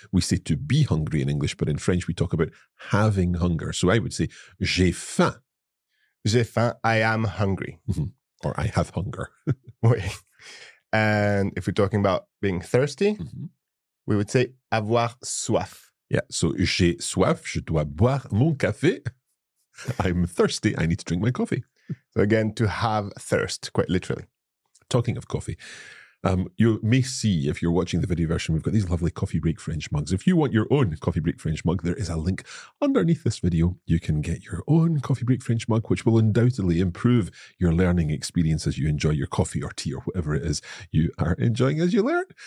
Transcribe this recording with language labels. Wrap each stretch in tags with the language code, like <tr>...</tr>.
<en>We say to be hungry in English, but in French we talk about having hunger. So I would say,</en> <fr>j'ai faim. J'ai faim,</fr> <en>I am hungry. Mm-hmm. Or I have hunger.</en> <fr>Oui.</fr> <en>And if we're talking about being thirsty, mm-hmm. we would say</en> <fr>avoir soif. Yeah, so j'ai soif, je dois boire mon café.</fr> <en>I'm thirsty, I need to drink my coffee. So again, to have thirst, quite literally. Talking of coffee, you may see, if you're watching the video version, we've got these lovely Coffee Break French mugs. If you want your own Coffee Break French mug, there is a link underneath this video. You can get your own Coffee Break French mug, which will undoubtedly improve your learning experience as you enjoy your coffee or tea or whatever it is you are enjoying as you learn.</en>